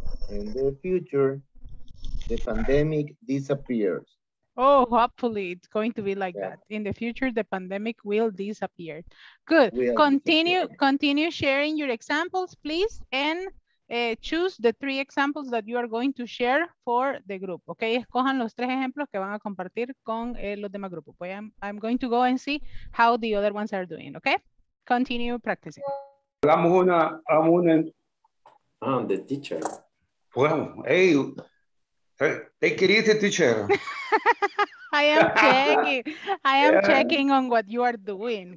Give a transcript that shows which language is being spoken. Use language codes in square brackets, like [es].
[en] In the future, the pandemic disappears. Oh, hopefully it's going to be like that. In the future, the pandemic will disappear. Good. Continue sharing your examples, please. And choose the three examples that you are going to share for the group. Okay. [es] Escojan los tres ejemplos que van a compartir con los demás grupos. [en] Pues I'm going to go and see how the other ones are doing. Okay. Continue practicing. I'm the teacher. Well, hey. Take it easy, teacher. I am checking on what you are doing.